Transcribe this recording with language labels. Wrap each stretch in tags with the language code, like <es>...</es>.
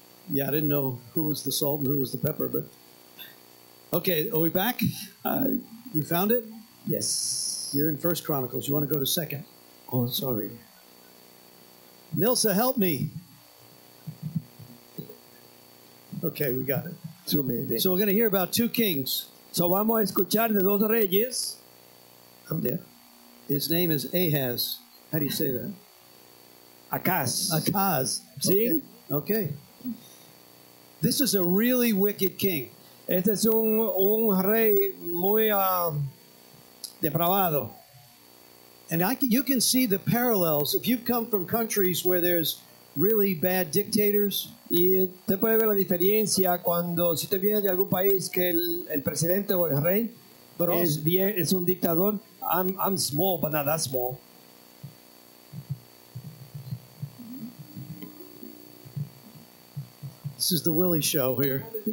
<en>Yeah, I didn't know who was the salt and who was the pepper, but okay, are we back? You found it? Yes. You're in 1 Chronicles. You want to go to 2? Oh, sorry. Nilsa, help me. Okay, we got it. Too many things. So we're going to hear about two kings.</en> <es>So vamos a escuchar de dos reyes.</es> <en>I'm there. His name is Ahaz. How do you say that? Ahaz. Ahaz. See? Okay. This is a really wicked king.</en> <es>Este es un rey muy depravado.</es> <en>And you can see the parallels. If you've come from countries where there's really bad dictators.</en> <es>Y te puede ver la diferencia cuando si te vienes de algún país que el presidente o el rey es un dictador.</es> <en>I'm small, but not that small. This is the Willie show here.</en>